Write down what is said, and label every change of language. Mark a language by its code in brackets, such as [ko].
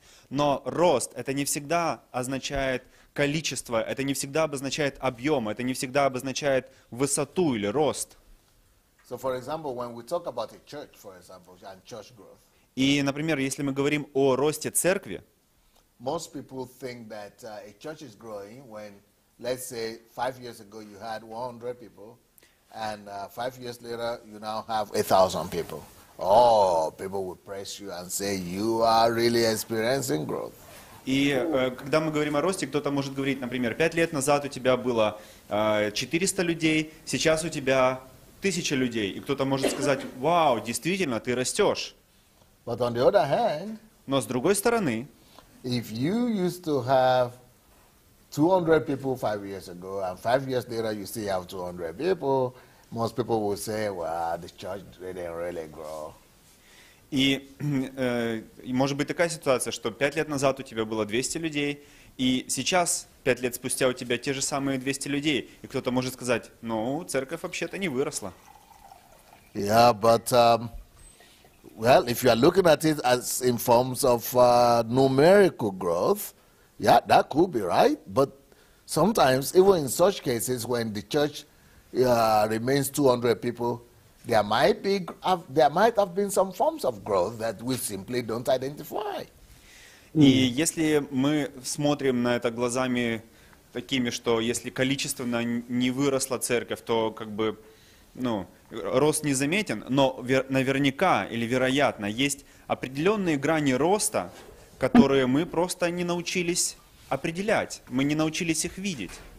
[ru] Но рост это не всегда означает количество, это не всегда обозначает объем, это не всегда обозначает высоту или рост. [en] So, for example, when we talk about a church, for example, and church growth. [ru] И, например, если мы говорим о росте церкви, [en] most people think that a church is growing when, let's say, 5 years ago you had 100 people, and 5 years later you now have 1,000 people. Oh, people will press you and say you are really experiencing growth. [ru] И когда мы говорим о росте, кто-то может говорить, например, 5 лет назад у тебя было 400 людей, сейчас у тебя 1000 людей, и кто-то может сказать: "Вау, действительно, ты растешь". [en] But on the other hand, [ru] но с другой стороны, [en] if you used to have 200 people 5 years ago, and 5 years later you still have 200 people. Most people will say, well, the church didn't really grow. [ru] И может быть такая ситуация, что 5 лет назад у тебя было 200 людей, и сейчас, 5 лет спустя, у тебя те же самые 200 людей. И кто-то может сказать: ну, церковь вообще-то не выросла. [en] Yeah, but, well, if you are looking at it as in forms of numerical growth, yeah, that could be right. But sometimes, even in such cases, when the church remains 200 people, there might have been some forms of growth that we simply don't identify. [ru] И если мы смотрим на это глазами такими, что если количественно не выросла церковь, то как бы, ну, рост не заметен, но наверняка или вероятно есть определенные грани роста, которые мы просто не научились определять, мы не научились их видеть.